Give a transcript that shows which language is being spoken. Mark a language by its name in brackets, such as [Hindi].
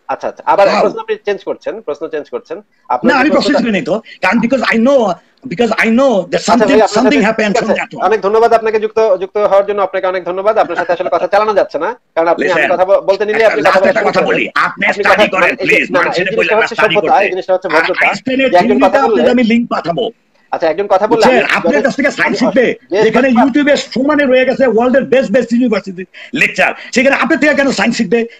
[Bangla] আচ্ছা আচ্ছা, আবার প্রশ্ন আপনি চেঞ্জ করছেন, প্রশ্ন চেঞ্জ করছেন আপনি। না, আমি প্রশ্ন করি নাই তো, কারণ [English] because I know that something happened from that [Bangla] one. অনেক ধন্যবাদ আপনাকে যুক্ত হওয়ার জন্য, আপনাকে অনেক ধন্যবাদ। আপনার সাথে আসলে কথা চালানো যাচ্ছে না, কারণ আপনি আমি কথা বলতে নিলে আপনি কথা বলি, আপনি স্টাডি করেন প্লিজ, মানে স্টাডি করেন। এই জিনিসটা হচ্ছে ভদ্রতা, একজন কথা বলে আমি লিংক পাঠাবো। আচ্ছা, একজন কথা বললাম আপনার কাছ থেকে সাইন্স শিখবে, যেখানে ইউটিউবে সমানে রয়ে গেছে ওয়ার্ল্ডের বেস্ট বেস্ট ইউনিভার্সিটি লেকচার, সেখানে আপনার থেকে কেন সাইন্স শিখবে?